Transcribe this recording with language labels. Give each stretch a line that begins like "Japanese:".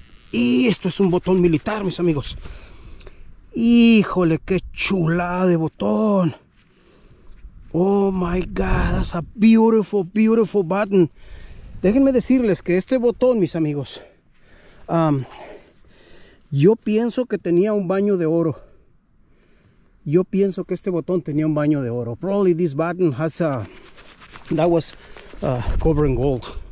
Spanish: Y esto es un botón militar, mis amigos. Híjole, qué chulada de botón.
English: Oh my God, that's a beautiful, beautiful button.
Spanish: Déjenme decirles que este botón, mis amigos, yo pienso que tenía un baño de oro. Yo pienso que este botón tenía un baño de oro.
English: Probably this button has a, that was covered in gold.